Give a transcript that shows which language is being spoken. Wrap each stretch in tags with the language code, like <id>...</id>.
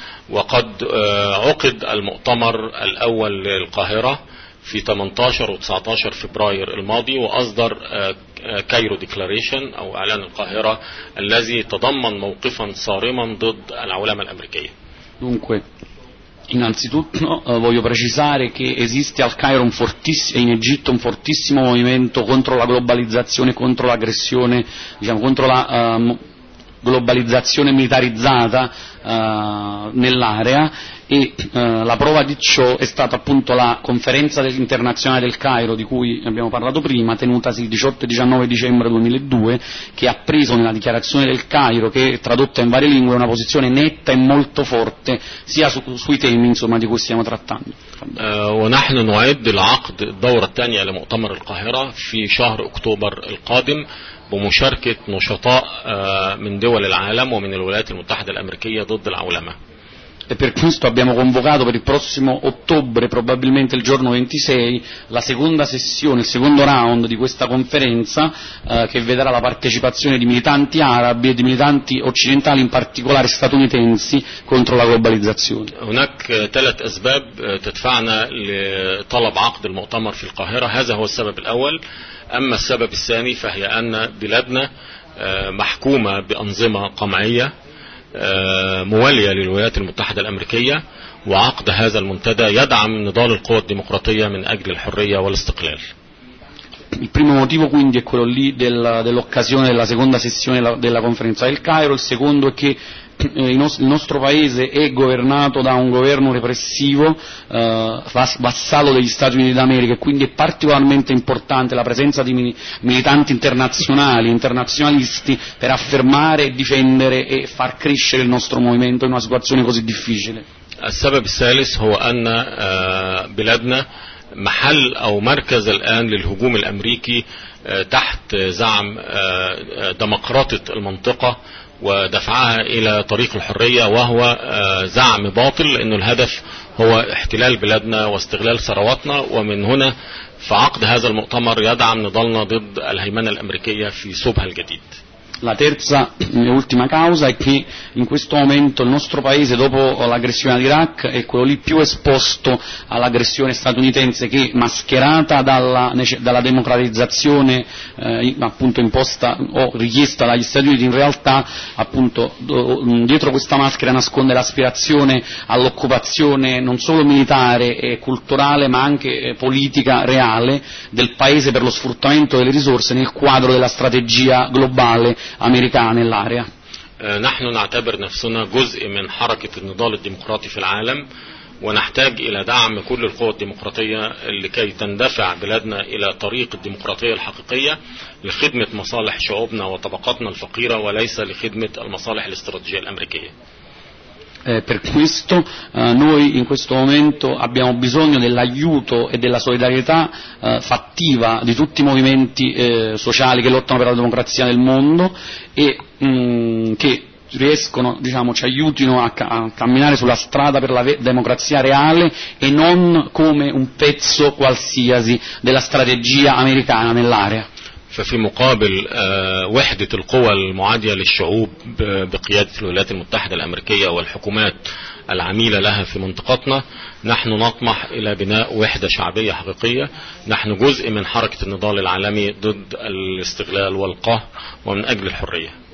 <ar>وقد عقد المؤتمر الأول للقاهرة في 18 و19 فبراير الماضي وأصدر كايرو ديكلاريشن أو إعلان القاهرة الذي تضمن موقفا صارما ضد العولمة الأمريكية.</ar> <it>Innanzitutto voglio precisare che esiste al Cairo in Egitto un fortissimo movimento contro la globalizzazione, contro l'aggressione, contro la globalizzazione militarizzata nell'area, e la prova di ciò è stata appunto la conferenza internazionale del Cairo di cui abbiamo parlato prima, tenutasi il 18 e 19 dicembre 2002, che ha preso nella dichiarazione del Cairo, che è tradotta in varie lingue, una posizione netta e molto forte sia sui temi insomma di cui stiamo trattando.</it> <ar>ونحن نعد العقد الدورة الثانية لمؤتمر القاهرة في شهر أكتوبر القادم بمشاركة نشطاء من دول العالم ومن الولايات المتحدة الأمريكية ضد العولمة.</ar> <it>E per questo abbiamo convocato per il prossimo ottobre, probabilmente il giorno 26, la seconda sessione, il secondo round di questa conferenza, che vedrà la partecipazione di militanti arabi e di militanti occidentali, in particolare statunitensi, contro la globalizzazione.</it> <ar>هناك ثلاث أسباب تدفعنا لطلب عقد المؤتمر في القاهرة. هذا هو السبب الأول. أما السبب الثاني فهي أن بلادنا محكومة بأنظمة قمعية موالية للولايات المتحدة الأمريكية وعقد هذا المنتدى يدعم نضال القوى الديمقراطية من أجل الحرية والاستقلال.</ar> <it>Il primo motivo quindi è quello lì dell'occasione della seconda sessione della conferenza del Cairo. Il secondo è che il nostro paese è governato da un governo repressivo vassallo degli Stati Uniti d'America, e quindi è particolarmente importante la presenza di militanti internazionali, internazionalisti, per affermare e difendere e far crescere il nostro movimento in una situazione così difficile.</it> <ar>السبب الثالث هو أن بلادنا محل أو مركز الآن للهجوم الأمريكي تحت زعم ديمقراطة المنطقة ودفعها إلى طريق الحرية، وهو زعم باطل، لأن الهدف هو احتلال بلادنا واستغلال ثرواتنا. ومن هنا فعقد هذا المؤتمر يدعم نضالنا ضد الهيمنة الأمريكية في صوبها الجديد.</ar> <it>La terza e ultima causa è che in questo momento il nostro paese, dopo l'aggressione all'Iraq, è quello lì più esposto all'aggressione statunitense, che mascherata dalla democratizzazione appunto imposta o richiesta dagli Stati Uniti, in realtà appunto dietro questa maschera nasconde l'aspirazione all'occupazione non solo militare e culturale ma anche politica reale del paese per lo sfruttamento delle risorse nel quadro della strategia globale</it> <en>أمريكان الأريا.</en> <ar>نحن نعتبر نفسنا جزء من حركة النضال الديمقراطي في العالم، ونحتاج إلى دعم كل القوى الديمقراطية لكي تندفع بلادنا إلى طريق الديمقراطية الحقيقية لخدمة مصالح شعوبنا وطبقاتنا الفقيرة وليس لخدمة المصالح الاستراتيجية الأمريكية.</ar> <it>Per questo noi in questo momento abbiamo bisogno dell'aiuto e della solidarietà fattiva di tutti i movimenti sociali che lottano per la democrazia nel mondo e che riescono, ci aiutino a camminare sulla strada per la democrazia reale e non come un pezzo qualsiasi della strategia americana nell'area.</it> <ar>ففي مقابل وحدة القوى المعادية للشعوب بقيادة الولايات المتحدة الأمريكية والحكومات العميلة لها في منطقتنا، نحن نطمح إلى بناء وحدة شعبية حقيقية. نحن جزء من حركة النضال العالمي ضد الاستغلال والقهر ومن أجل الحرية.</ar>